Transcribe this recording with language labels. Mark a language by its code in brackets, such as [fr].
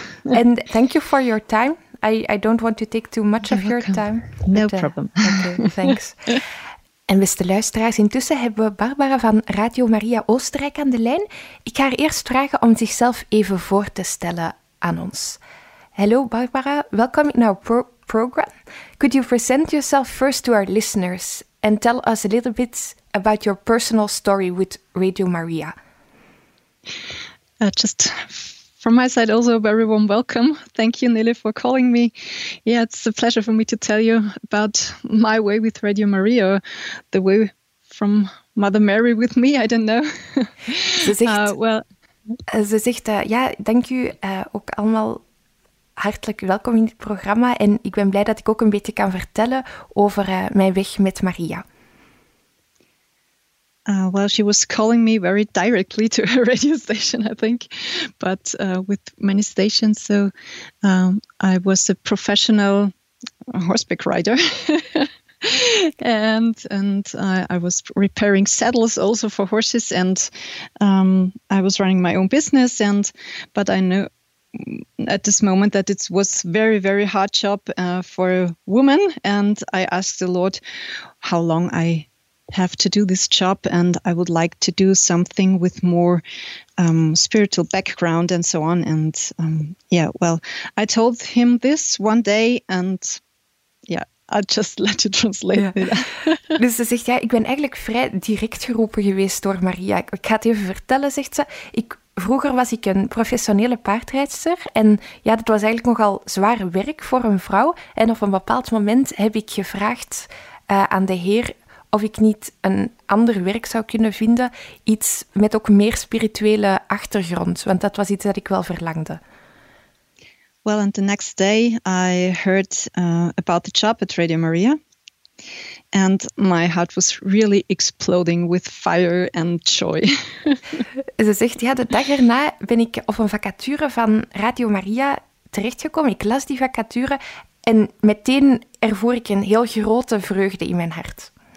[en] And thank you for your time. I don't want to take too much You're of welcome. Your time. No but, problem. Okay, thanks. [nl] En beste luisteraars, intussen hebben we Barbara van Radio Maria Oostenrijk aan de lijn. Ik ga haar eerst vragen om zichzelf even voor te stellen aan ons. [en] Hello Barbara, welcome in our program. Could you present yourself first to our listeners and tell us a little bit about your personal story with Radio Maria? Just from my side also a very warm welcome. Thank you Nelly for calling me. Yeah, it's a pleasure for me to tell you about my way with Radio Maria, the way from Mother Mary with me, I don't know. [nl] Ze zegt, dank u ook allemaal hartelijk welkom in dit programma en ik ben blij dat ik ook een beetje kan vertellen over mijn weg met Maria. [en] Well, she was calling me very directly to her radio station, I think, but with many stations. So I was a professional horseback rider and I was repairing saddles also for horses. And I was running my own business. But I knew at this moment that it was very, very hard job for a woman. And I asked the Lord how long I have to do this job, and I would like to do something with more spiritual background and so on. And I told him this one day, and I'll just let you translate it. [nl] Dus ze zegt, ja, ik ben eigenlijk vrij direct geroepen geweest door Maria. Ik ga het even vertellen, zegt ze. Vroeger was ik een professionele paardrijdster en ja, dat was eigenlijk nogal zwaar werk voor een vrouw. En op een bepaald moment heb ik gevraagd aan de Heer of ik niet een ander werk zou kunnen vinden, iets met ook meer spirituele achtergrond, want dat was iets dat ik wel verlangde. [en] Well, and the next day I heard about the job at Radio Maria, and my heart was really exploding with fire and joy. [nl] Ze zegt, ja, de dag erna ben ik op een vacature van Radio Maria terechtgekomen. Ik las die vacature en meteen ervoer ik een heel grote vreugde in mijn hart.